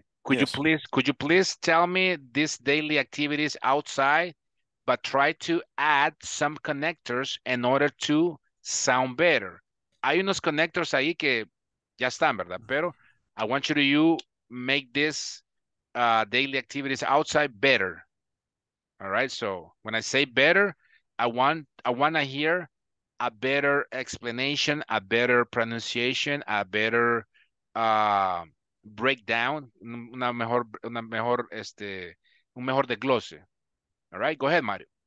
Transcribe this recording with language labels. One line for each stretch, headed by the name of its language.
English: Could you please tell me these daily activities outside, but try to add some connectors in order to sound better?
Spanish: Hay unos connectors ahí que ya están, ¿verdad?
English: Pero I want you to make this daily activities outside better. All right. So when I say better, I want to hear a better explanation, a better pronunciation, a better breakdown,
Spanish: un mejor desglose.
English: All right. Go ahead, Mario.